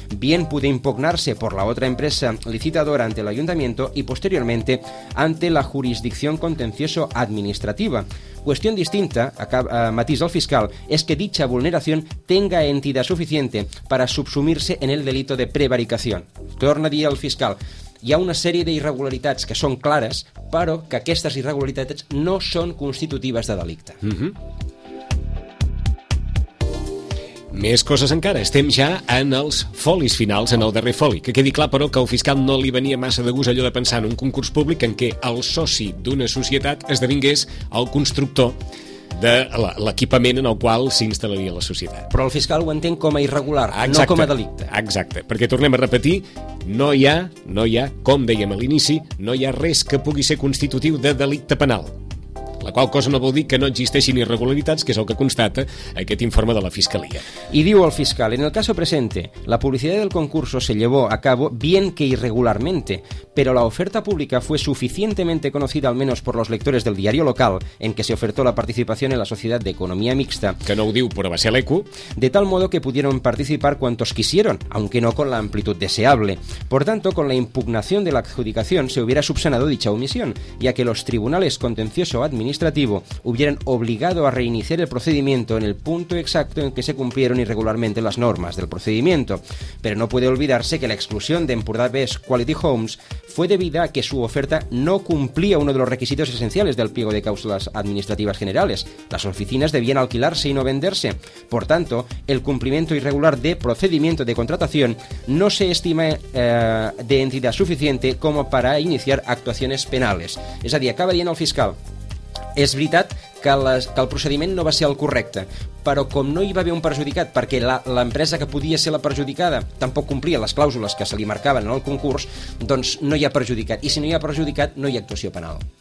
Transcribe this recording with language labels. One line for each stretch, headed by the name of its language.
Spanish: Bien pudo impugnarse por la otra empresa licitadora ante el ayuntamiento y posteriormente ante la jurisdicción contencioso administrativa. Cuestión distinta, matiza el fiscal, es que dicha vulneración tenga entidad suficiente para subsumirse en el delito de prevaricación.
Catalan: Torna a dir el fiscal, hi ha una sèrie d'irregularitats que són clares, però que aquestes irregularitats no són constitutives de delicte. Mm-hmm. Més coses encara. Estem ja en els folis finals, en el darrer foli. Que quedi clar, però, que al fiscal no li venia massa de gust allò de pensar en un concurs públic en què el soci d'una societat esdevingués el constructor de l'equipament en el qual s'instal·laria la societat. Però el fiscal ho entén com a irregular, exacte, no com a delicte. Exacte, perquè tornem a repetir, no hi ha, com dèiem a l'inici, no hi ha res que pugui ser constitutiu de delicte penal. La qual cosa no vol dir que no existeixin irregularitats, que és el que constata aquest informe de la Fiscalia. I diu el fiscal,
Spanish: en el caso presente, la publicidad del concurso se llevó a cabo bien que irregularmente, pero la oferta pública fue suficientemente conocida al menos por los lectores del diario local en que se ofertó la participación en la sociedad de economía mixta.
Catalan: Que no ho diu, però va ser l'Eco.
Spanish: De tal modo que pudieron participar cuantos quisieron, aunque no con la amplitud deseable. Por tanto, con la impugnación de la adjudicación se hubiera subsanado dicha omisión, ya que los tribunales contencioso-administrativos administrativo hubieran obligado a reiniciar el procedimiento en el punto exacto en que se cumplieron irregularmente las normas del procedimiento. Pero no puede olvidarse que la exclusión de Empordà Best Quality Homes fue debida a que su oferta no cumplía uno de los requisitos esenciales del pliego de cláusulas administrativas generales. Las oficinas debían alquilarse y no venderse. Por tanto, el cumplimiento irregular de procedimiento de contratación no se estima de entidad suficiente como para iniciar actuacions penals.
Catalan: És a dir, acaba dient el fiscal, és veritat que el procediment no va ser el correcte, però com no hi va haver un perjudicat perquè l'empresa que podia ser la perjudicada tampoc complia les clàusules que se li marcaven en el concurs, doncs no hi ha perjudicat, i si no hi ha perjudicat, no hi ha actuació penal.